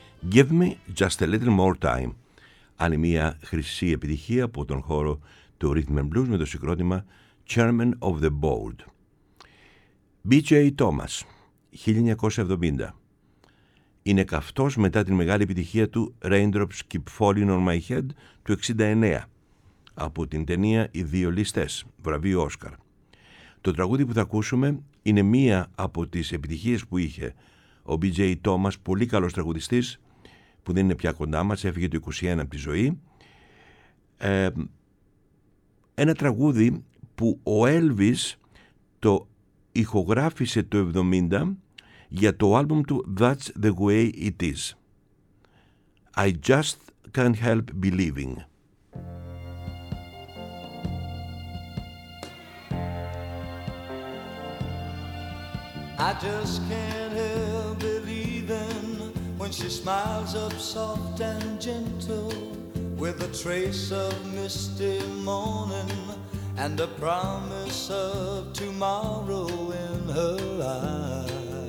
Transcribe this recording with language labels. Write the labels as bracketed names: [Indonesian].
[English] Give me just a little more time. [Greek] Άλλη μια χρυσή επιτυχία από τον χώρο του Rhythm and Blues με το συγκρότημα Chairman of the Board. B.J. Thomas, 1970. Είναι καυτός μετά την μεγάλη επιτυχία του Raindrops Keep Falling on My Head του 69 από την ταινία Οι Δύο Ληστές, βραβείο Όσκαρ. Το τραγούδι που θα ακούσουμε είναι μία από τις επιτυχίες που είχε ο B.J. Thomas, πολύ καλός τραγουδιστής, που δεν είναι πια κοντά μας, έφυγε το 21 από τη ζωή. Ένα τραγούδι που ο Elvis το ηχογράφησε το 70 για το άλμπουμ του That's the Way It Is. [English] I Just Can't Help Believing. I just can't help believing when she smiles up soft and gentle with a trace of misty morning and a promise of tomorrow in her eyes.